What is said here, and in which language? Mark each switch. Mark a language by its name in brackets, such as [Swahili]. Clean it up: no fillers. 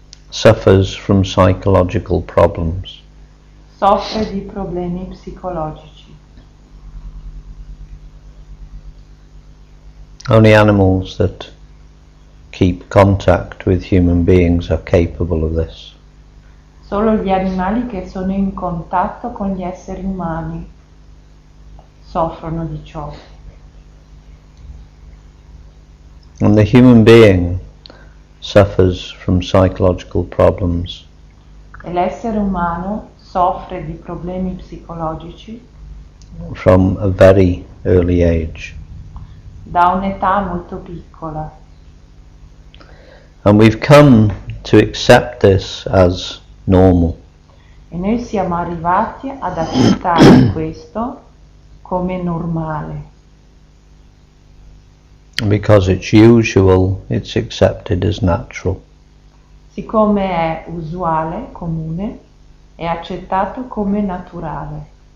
[English] suffers from psychological problems. [Italian] Soffre di problemi psicologici. [English] Only animals that keep contact with human beings are capable of this. [Italian] Solo gli animali che sono in contatto con gli esseri umani soffrono di ciò. [English] And the human being suffers from psychological problems. [Italian] E l'essere umano soffre di problemi psicologici [English] from a very early age. [Italian] Da un'età molto piccola. [English] And we've come to accept this as normal. [Italian] E noi siamo arrivati ad accettare questo come normale. [English] Because it's usual, it's accepted as natural. [Italian] Siccome è usuale, comune, è accettato come naturale.